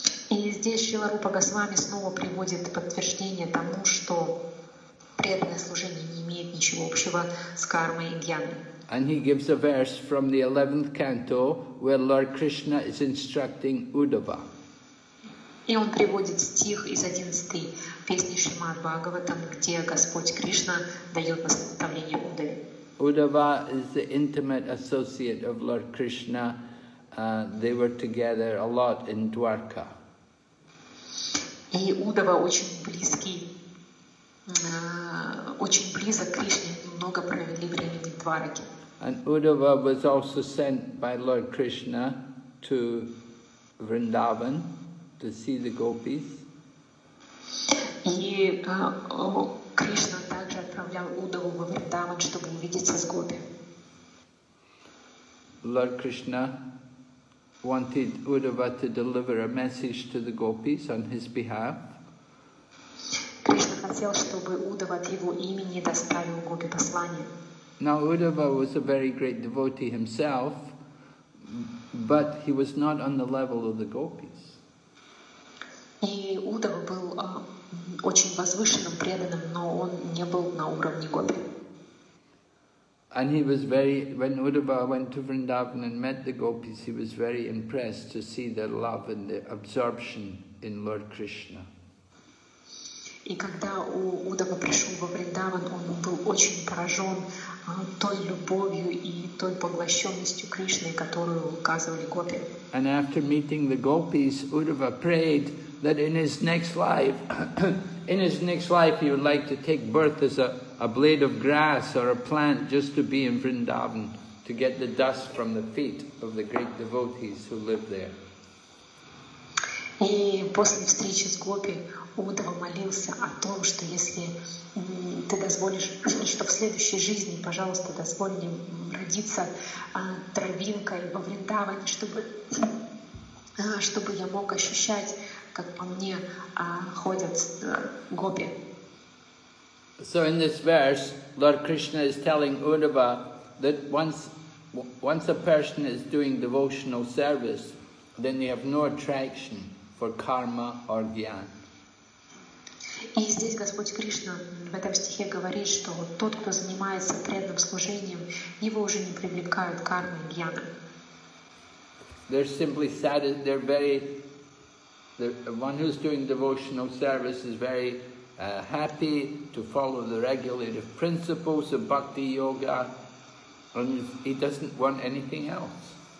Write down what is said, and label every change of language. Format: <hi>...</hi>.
<ru>И здесь Шрила Рупа Госвами снова приводит подтверждение тому, что преданное служение не имеет ничего общего с кармой и jnаной.</ru> <en>And he gives a verse from the 11th canto where Lord Krishna is instructing Uddhava.</en> <ru>И он приводит стих из 11-й песни Шримад-Бхагаватам, где Господь Кришна дает наставление Уддаве.</ru> <en>Uddhava is the intimate associate of Lord Krishna. They were together a lot in Dwarka.</en> <ru>И Уддава очень близок к Кришне, много провели времени в Двараке.</ru> <en>And Uddhava was also sent by Lord Krishna to Vrindavan to see the gopis.</en> <ru>Krishna также отправлял Уддаву во Вриндаван, чтобы увидеться с гопи.</ru> <en>Lord Krishna wanted Uddhava to deliver a message to the gopis on his behalf.</en> <ru>Кришна хотел, чтобы Уддава от его имени доставил гопи послание.</ru> <en>Now, Uddhava was a very great devotee himself, but he was not on the level of the gopis.</en> <ru>И Удава был очень возвышенным преданным, но он не был на уровне гопи.</ru> <en>And he was very, when Uddhava went to Vrindavan and met the gopis, he was very impressed to see their love and the absorption in Lord Krishna.</en> <ru>И когда Удава пришел во Вриндаван, он был очень поражен той любовью и той поглощенностью Кришны, которую указывали гопи.</ru> <en>And after meeting the gopis, Uddhava prayed that in his next life, in his next life, he would like to take birth as a blade of grass or a plant, just to be in Vrindavan, to get the dust from the feet of the great devotees who live there.</en> <ru>И после встречи с гопи Удава молился о том, что если ты дозволишь, что в следующей жизни, пожалуйста, дозволь мне родиться травинкой во Вриндаване, чтобы я мог ощущать, как по мне ходят гопи.</ru> <en>So in this verse, Lord Krishna is telling Uddhava that once a person is doing devotional service, then they have no attraction for karma or jnana.</en> <ru>И здесь Господь Кришна в этом стихе говорит, что тот, кто занимается преданным служением, его уже не привлекают карма и джняна.</ru> <en>They're simply sad. They're very. One who's doing devotional service is very happy to follow the regulative principles of bhakti yoga, and he doesn't want anything else.</en>